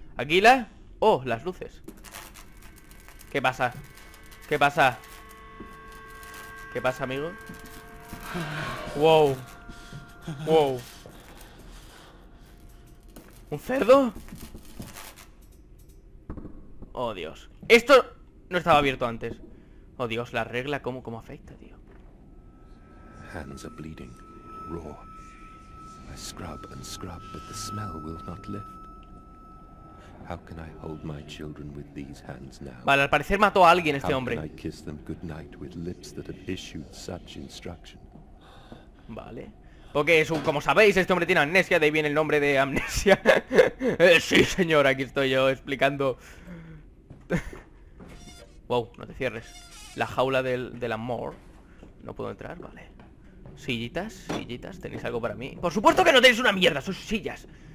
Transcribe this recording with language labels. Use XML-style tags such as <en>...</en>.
<es>¿Anguila? Oh, las luces. ¿Qué pasa? ¿Qué pasa? ¿Qué pasa, amigo? Wow. Wow. ¿Un cerdo? Oh, Dios. Esto no estaba abierto antes. Oh, Dios, la regla, ¿cómo afecta, tío?</es> <en>Hands are bleeding, raw. I scrub and scrub, but the smell will not lift. How can I hold my children with these hands now?</en> <es>Vale, al parecer mató a alguien este hombre.</es> <en>How can I kiss them goodnight with lips that have issued such instruction?</en> <es>Vale. Porque es un, como sabéis, este hombre tiene amnesia, de ahí viene el nombre de amnesia. Sí, señor, aquí estoy yo explicando. Wow, no te cierres. La jaula del amor. No puedo entrar, vale. Sillitas, sillitas, ¿tenéis algo para mí? ¡Por supuesto que no tenéis una mierda! ¡Sois sillas!</es>